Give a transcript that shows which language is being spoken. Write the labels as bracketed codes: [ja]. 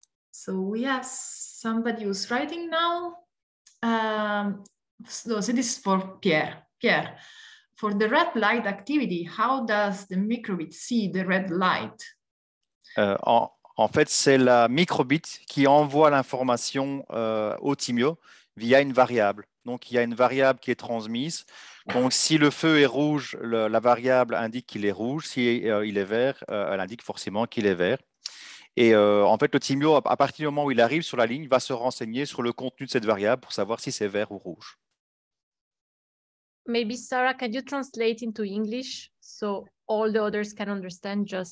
[en] So we have somebody who's writing now. So this is for Pierre. Pierre, for the red light activity, how does the microbit see the red light? [fr] En fait, c'est la microbit qui envoie l'information au Thymio via une variable. Donc, il y a une variable qui est transmise. Donc, si le feu est rouge, la variable indique qu'il est rouge. Si il est vert, elle indique forcément qu'il est vert. Et en fait, le Thymio, à partir du moment où il arrive sur la ligne, va se renseigner sur le contenu de cette variable pour savoir si c'est vert ou rouge. [en] Maybe Sarah, can you translate into English so all the others can understand?